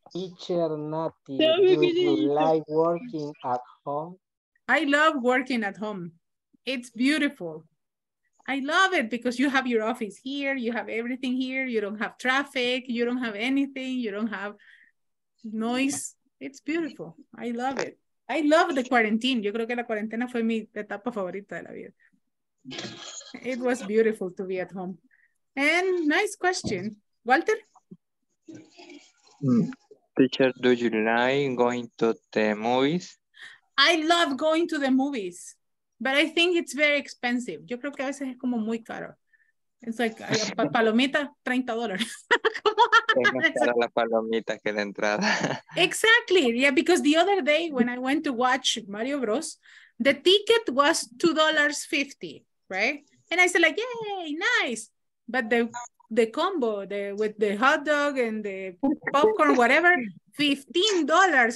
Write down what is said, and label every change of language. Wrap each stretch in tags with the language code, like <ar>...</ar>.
<en>Teacher Nati, do you like working at home? I love working at home. It's beautiful. I love it because you have your office here, you have everything here, you don't have traffic, you don't have anything, you don't have noise. It's beautiful. I love it. I love the quarantine.</en> <es>Yo creo que la cuarentena fue mi etapa favorita de la vida.</es> <en>It was beautiful to be at home. And nice question. Walter? Teacher, do you like going to the movies? I love going to the movies. But I think it's very expensive.</en> <es>Yo creo que a veces es como muy caro.</es> <en>It's like, palomita, $30.</en> <es>Es más cara la palomita que la entrada.</es> <en>Exactly. Yeah, because the other day when I went to watch Mario Bros, the ticket was $2.50, right? And I said like, yay, nice. But the combo with the hot dog and the popcorn, whatever, $15.</en>